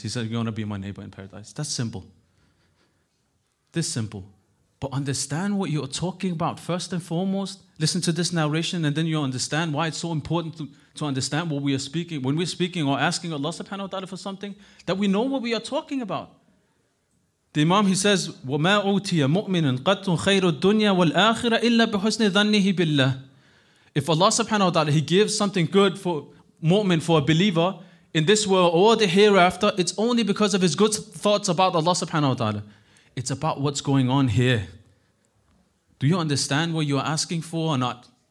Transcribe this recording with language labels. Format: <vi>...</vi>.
<en>He said, you want to be my neighbor in paradise. That's simple. This simple. But understand what you're talking about first and foremost. Listen to this narration and then you'll understand why it's so important to understand what we are speaking. When we're speaking or asking Allah subhanahu wa ta'ala for something, that we know what we are talking about. The Imam, he says,</en> <ar>وَمَا أُوْتِيَ مُؤْمِنٌ قَدْتُ خَيْرُ الدُّنْيَا وَالْآخِرَةِ إِلَّا بِحُسْنِ ذَنِّهِ بِاللَّهِ.</ar> <en>If Allah subhanahu wa ta'ala, he gives something good for mu'min, for a believer, in this world or the hereafter, it's only because of his good thoughts about Allah subhanahu wa ta'ala. It's about what's going on here. Do you understand what you're asking for or not?</en>